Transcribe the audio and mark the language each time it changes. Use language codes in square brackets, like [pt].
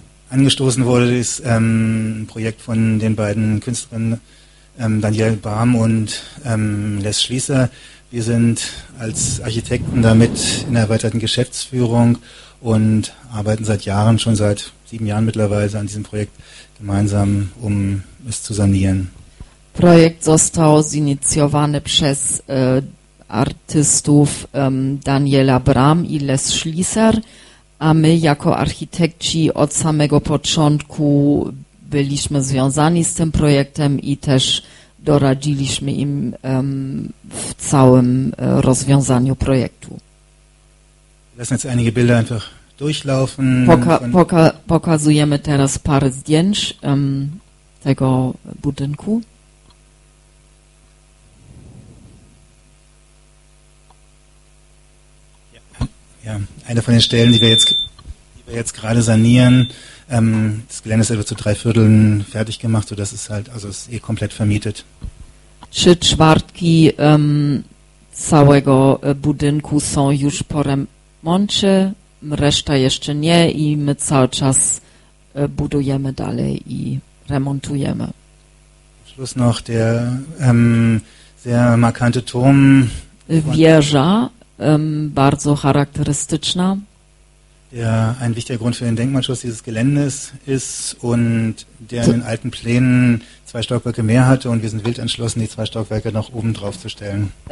[de] Angestoßen wurde das Projekt von den beiden Künstlerinnen Danielle Bahm und Les Schließer. Wir sind als Architekten damit in der erweiterten Geschäftsführung und arbeiten seit Jahren, schon seit 7 Jahren mittlerweile an diesem Projekt gemeinsam, um es zu sanieren. [pl] Projekt został zinicjowany przez artystów Daniela Bram i Les Schließer, a my jako architekci od samego początku byliśmy związani z tym projektem i też doradziliśmy im w całym rozwiązaniu projektu. [de] Lassen jetzt einige Bilder einfach durchlaufen. [pl] Pokazujemy teraz parę zdjęć tego budynku. [de] Ja, eine von den Stellen, die wir jetzt gerade sanieren, das Gelände ist etwa zu 3/4 fertig gemacht, sodass es halt, also es ist eh komplett vermietet. [pl] Trzy czwartki całego budynku są już po remoncie, reszta jeszcze nie i my cały czas budujemy dalej i remontujemy. [de] Schluss noch der sehr markante Turm. [pl] Wieża, bardzo charakterystyczna. [de] Der ein wichtiger Grund für den Denkmalschutz dieses Geländes ist und der in den alten Plänen zwei Stockwerke mehr hatte und wir sind wild entschlossen, die zwei Stockwerke noch oben drauf zu stellen.